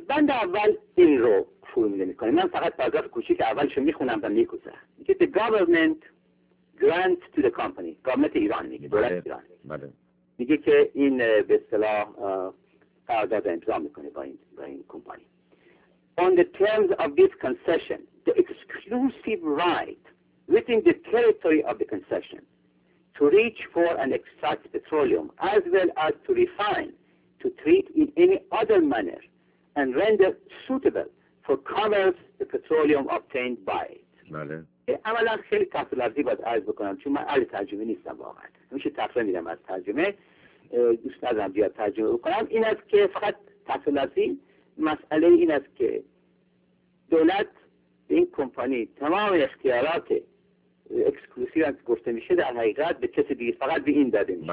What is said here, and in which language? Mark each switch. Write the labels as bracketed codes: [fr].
[fa] بند اول این رو فرمیده میکنه، من فقط پاراگراف کوچیک اولش میخونم و میگذرم. میگه [en] the government grant to the company، [fa] گورنمنت ایران میگه، دولت ایران میگه، میگه که این به اصطلاح قرارداد امضا میکنه با این کمپانی. [en] On the terms of this concession, the exclusive right within the territory of the concession to reach for and extract petroleum as well as to refine, to treat in any other manner and render suitable for commerce the petroleum obtained by it. [fa] بله. اولا خیلی تفصیلی باید عرض بکنم چون من اهل ترجمه نیستم واقعا. همیشه تفصیل میدم از ترجمه. دوست ندارم بیاد ترجمه بکنم. این است که فقط تفصیلی مسئله این است که دولت به این کمپانی تمام اختیارات اکسکلوسیو هم که گفته میشه در حقیقت به کسی دیگه فقط به این داده میشه.